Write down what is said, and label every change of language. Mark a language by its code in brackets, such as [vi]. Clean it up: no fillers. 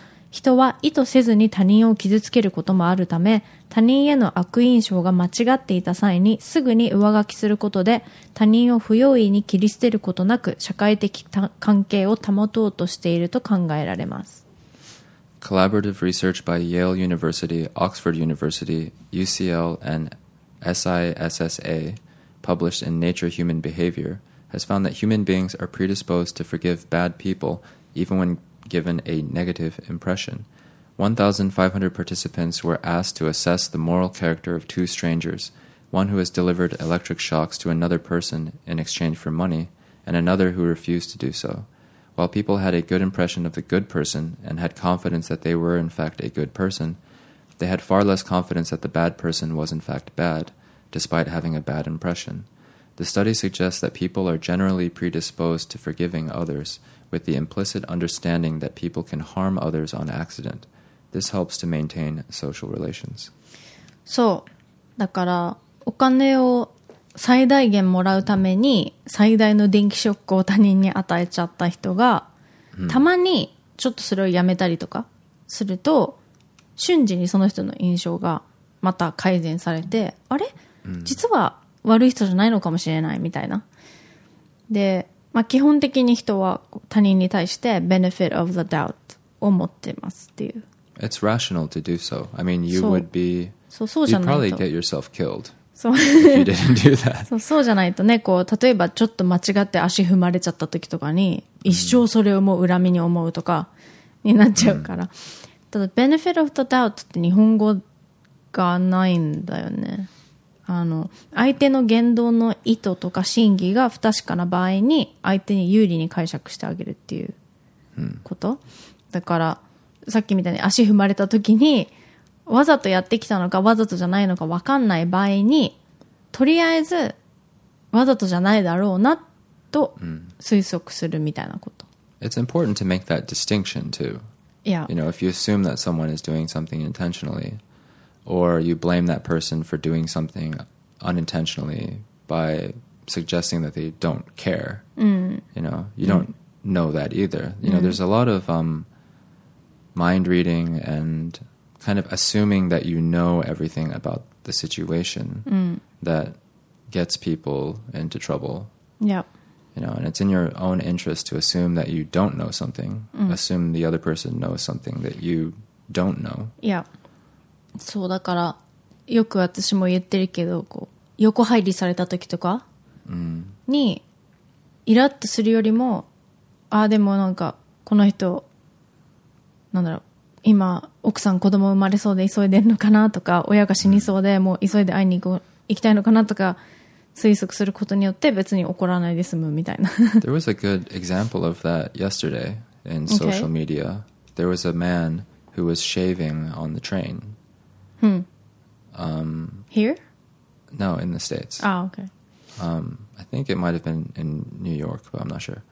[ja] 人は意図せずに他人を傷つけることもあるため、他人への悪印象が間違っていた際にすぐに上書きすることで、他人を不用意に切り捨てることなく社会的関係を保とうとしていると考えられます。 [en] Collaborative research by Yale University, Oxford University, UCL, and SISSA, published in Nature Human Behavior, has found that human beings are predisposed to forgive bad people even when given a negative impression. 1,500 participants were asked to assess the moral character of two strangers, one who has delivered electric shocks to another person in exchange for money, and another who refused to do so. While people had a good impression of the good person and had confidence that they were in fact a good person, they had far less confidence that the bad person was in fact bad, despite having a bad impression. The study suggests that people are generally predisposed to forgiving others, with the implicit understanding that people can harm others on accident. This helps to maintain social relations. [ja] そう。だから、お金を最大限もらうために最大の電気ショックを他人に与えちゃった人が、たまにちょっとそれをやめたりとかすると、瞬時にその人の印象がまた改善されて、あれ？実は悪い人じゃないのかもしれないみたいな。で、まあ、基本的に人は他人に対して [en] benefit of the doubt [ja] を持ってますっていう。 [en] It's rational to do so. I mean, you would be... [ja] そう、そうじゃないと。 [en] You'd probably get yourself killed if you didn't do that. [ja] そう、そうじゃないとね、こう、例えばちょっと間違って足踏まれちゃった時とかに、一生それをもう恨みに思うとかになっちゃうから。ただ、 [en] benefit of the doubt [ja] って日本語がないんだよね。あの相手の言動の意図とか真偽が不確かな場合に相手に有利に解釈してあげるっていうこと、うん、だからさっきみたいに足踏まれた時にわざとやってきたのかわざとじゃないのか分かんない場合にとりあえずわざとじゃないだろうなと推測するみたいなこと、う [en] ん、It's important to make that distinction too、 yeah. You know, if you assume that someone is doing something intentionallyOr you blame that person for doing something unintentionally by suggesting that they don't care. You know, you don't know that either. You know, there's a lot of mind reading and kind of assuming that you know everything about the situation that gets people into trouble. Yeah. You know, and it's in your own interest to assume that you don't know something. Assume the other person knows something that you don't know. Yeah. [ja] そうだからよく私も言ってるけどこう横入りされた時とかにイラッとするよりもああでもなんかこの人なんだろう今奥さん子供生まれそうで急いでるのかなとか親が死にそうでもう急いで会いに行きたいのかなとか推測することによって別に怒らないで済むみたいな [en] There was a good example of that yesterday in social media、okay. There was a man who was shaving on the train Here? No, in the States. Oh, okay. I think it might have been in New York, but I'm not sure.